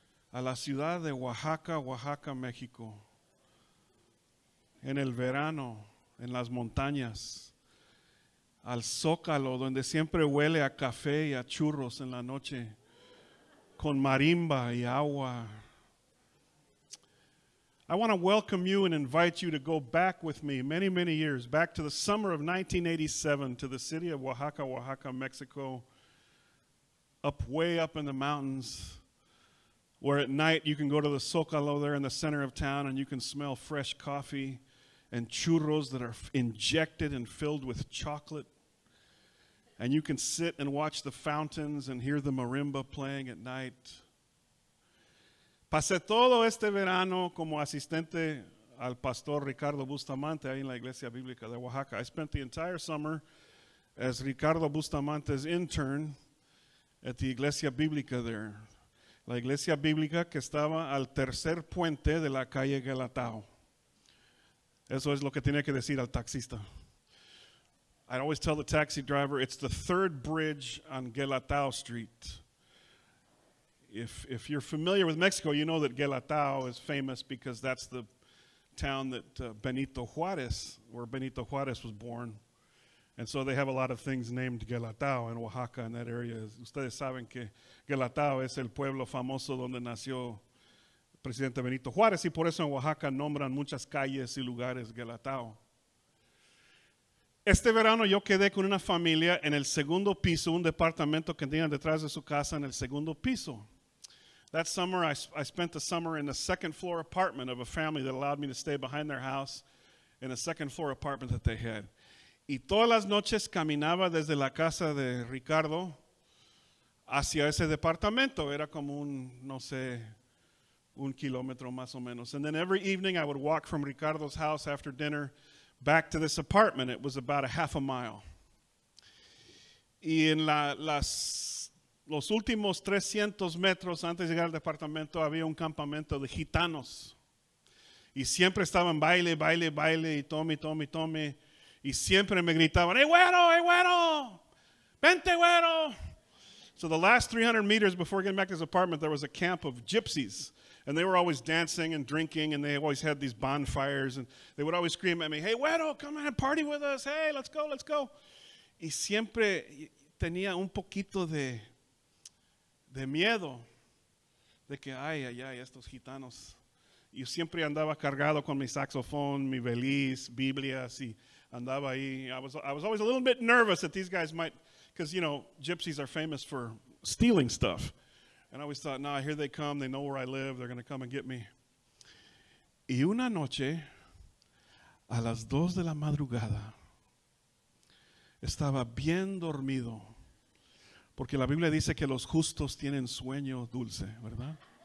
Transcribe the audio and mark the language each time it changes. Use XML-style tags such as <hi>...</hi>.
<es>A la ciudad de Oaxaca, Oaxaca, México. En el verano, en las montañas. Al Zócalo, donde siempre huele a café y a churros en la noche. Con marimba y agua.</es> <en>I want to welcome you and invite you to go back with me many, many years, back to the summer of 1987, to the city of Oaxaca, Oaxaca, Mexico, up way up in the mountains, where at night you can go to the Zócalo there in the center of town and you can smell fresh coffee and churros that are injected and filled with chocolate. And you can sit and watch the fountains and hear the marimba playing at night.</en> <es>Pasé todo este verano como asistente al pastor Ricardo Bustamante ahí en la Iglesia Bíblica de Oaxaca.</es> <en>I spent the entire summer as Ricardo Bustamante's intern at the Iglesia Bíblica there.</en> <es>La Iglesia Bíblica que estaba al tercer puente de la calle Galatao. Eso es lo que tenía que decir al taxista.</es> <en>I'd always tell the taxi driver, it's the third bridge on Galatao Street. If you're familiar with Mexico, you know that Galatao is famous because that's the town that where Benito Juarez was born. And so they have a lot of things named Galatao in Oaxaca, in that area.</en> <es>Ustedes saben que Galatao es el pueblo famoso donde nació Presidente Benito Juarez, y por eso en Oaxaca nombran muchas calles y lugares Galatao. Este verano yo quedé con una familia en el segundo piso, un departamento que tenían detrás de su casa en el segundo piso.</es> <en>That summer, I spent the summer in the second floor apartment of a family that allowed me to stay behind their house in a second floor apartment that they had.</en> <es>Y todas las noches caminaba desde la casa de Ricardo hacia ese departamento. Era como un, no sé, un kilómetro más o menos.</es> <en>And then every evening I would walk from Ricardo's house after dinner back to this apartment. It was about a half a mile.</en> <es>Y en los últimos 300 metros antes de llegar al departamento había un campamento de gitanos. Y siempre estaban baile, baile, baile, y tome, tome, tome. Y siempre me gritaban, hey, güero, vente, güero.</es> <en>So the last 300 meters before getting back to his apartment, there was a camp of gypsies. And they were always dancing and drinking, and they always had these bonfires. And they would always scream at me, hey, güero, come on, party with us. Hey, let's go, let's go.</en> <es>Y siempre tenía un poquito de miedo, de que, ay, ay, ay, estos gitanos. Yo siempre andaba cargado con mi saxofón, mi veliz, Biblias, y andaba ahí.</es> <en>I was always a little bit nervous that these guys might, because, you know, gypsies are famous for stealing stuff. And I always thought, nah, here they come, they know where I live, they're going to come and get me.</en> <es>Y una noche, a las 2 de la madrugada, estaba bien dormido. Porque la Biblia dice que los justos tienen sueño dulce, ¿verdad?</es>